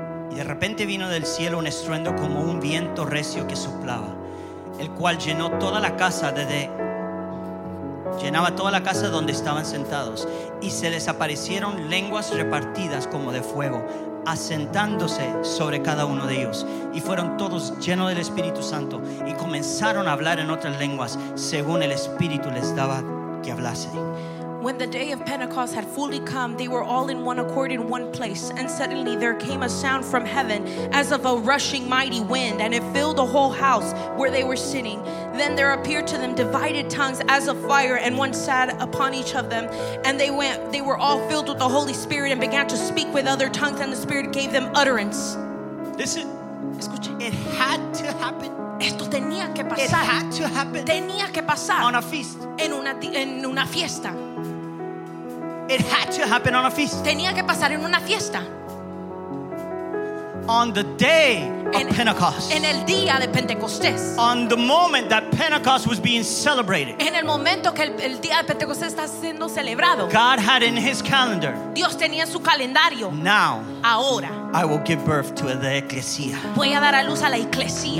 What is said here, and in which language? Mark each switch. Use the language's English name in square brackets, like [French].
[Spanish] Y de repente vino del cielo un estruendo como un viento recio que soplaba, el cual llenó toda la casa llenaba toda la casa donde estaban sentados, y se les aparecieron lenguas repartidas como de fuego, asentándose sobre cada uno de ellos, y fueron todos llenos del Espíritu Santo y comenzaron a hablar en otras lenguas según el Espíritu les daba que hablase. [English] When the day of Pentecost had fully come, they were all in one accord in one place, and suddenly there came a sound from heaven as of a rushing mighty wind, and it filled the whole house where they were sitting. Then there appeared to them divided tongues as of fire, and one sat upon each of them, and they were all filled with the Holy Spirit and began to speak with other tongues, and the Spirit gave them utterance. Listen. [Spanish] Escuche. [English] It had to happen. [Spanish] Esto tenía que pasar. [English] It had to happen. [Spanish] Tenía que pasar. [English] On a feast. [Spanish] En una fiesta. [English] It had to happen on a feast. [Spanish] Tenía que pasar en una fiesta. [English] On the day of Pentecost. [Spanish] En el día de Pentecostés. [English] On the moment that Pentecost was being celebrated. [Spanish] En el momento que el día de Pentecostés está siendo celebrado. [English] God had in his calendar. [Spanish] Dios tenía en su calendario. [English] Now. [Spanish] Ahora. [English] I will give birth to the ecclesia. [Spanish] Voy a dar a luz a la iglesia.